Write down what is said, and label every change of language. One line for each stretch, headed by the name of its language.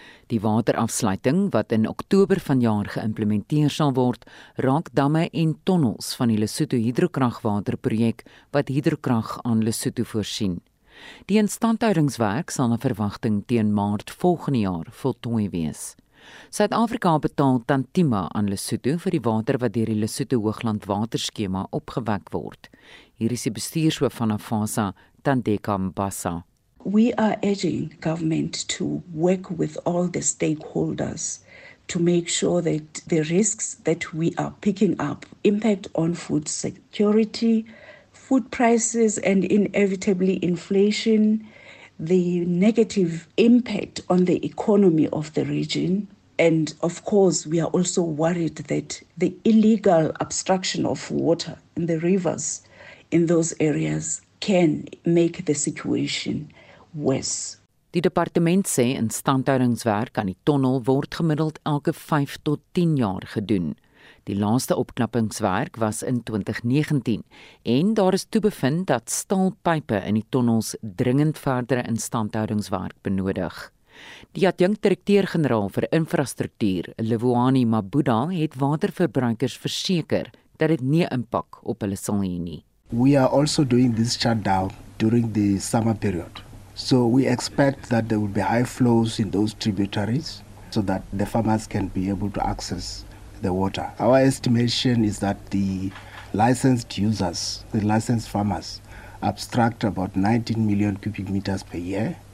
Afrikaans: Die waterafsluiting, wat in Oktober vanjaar geïmplementeer sal word, raak damme en tonnels van die Lesotho Hydrokragwaterprojek wat hydrokrag aan Lesotho voorsien. Die instandhoudingswerk sal na verwagting teen Maart volgende jaar voltooi wees. Suid-Afrika betaal tantima aan Lesotho vir die water wat deur die Lesotho Hoogland waterskema opgewek word. Hier is die bestuurshoof van AFASA, Tandeka Mbasa.
English: We are urging government to work with all the stakeholders to make sure that the risks that we are picking up impact on food security, food prices and inevitably inflation, the negative impact on the economy of the region. And of course, we are also worried that the illegal abstraction of water in the rivers in those areas can make the situation worse.
Afrikaans: Die departement sê instandhoudingswerk aan die tonnel word gemiddeld elke 5 tot 10 jaar gedoen. Die laaste opknappingswerk was in 2019 en daar is toe bevind dat staalpype in die tonnels dringend verdere instandhoudingswerk benodig. Die adjunkt-direkteur-generaal vir infrastruktuur, Lewuani Mabuda, het waterverbruikers verseker dat dit nie impak op hulle sal hê nie.
English: We are also doing this shutdown during the summer period. So we expect that there will be high flows in those tributaries so that the farmers can be able to access the water. Our estimation is that the licensed users, the licensed farmers, abstract about 19 million cubic meters per year.